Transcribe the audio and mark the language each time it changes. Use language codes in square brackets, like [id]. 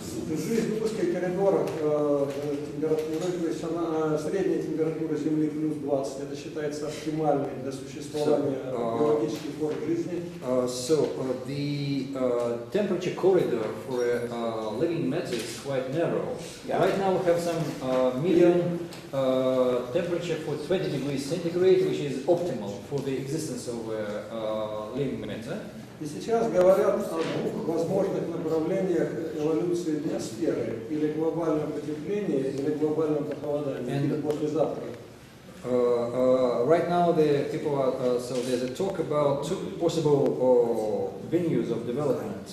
[ru] Жизнь в узких коридорах температуры, то есть она средняя температура Земли плюс 20, это считается оптимальной для существования биологических форм жизни. [en] The temperature corridor for a living matter is quite narrow. Yeah. Right now we have some medium temperature for 20 degrees centigrade, which is optimal for the existence of a living matter. [ru] И сейчас говорят о двух возможных направлениях эволюции биосферы, или глобальном потеплении, или глобальном похолодании, или послезавтра. [en] Right now the people are so there's a talk about two possible venues of development.